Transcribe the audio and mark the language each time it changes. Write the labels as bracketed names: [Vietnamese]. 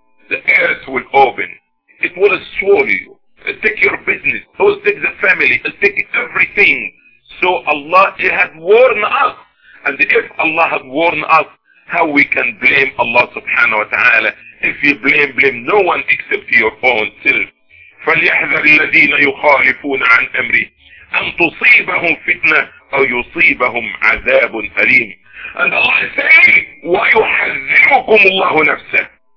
[English] The earth will open. It will swallow you. It'll take your business. It'll take the family. It'll take everything. So Allah, He has warned us. And if Allah has warned us, how we can blame Allah subhanahu wa ta'ala? If you blame no one except your own self. [Arabic] فليحذر الذين يخالفون عن أمره أن تصيبهم فتنة أو يصيبهم عذاب أليم. [English] And Allah says, [Arabic] ويحذركم الله نفسه.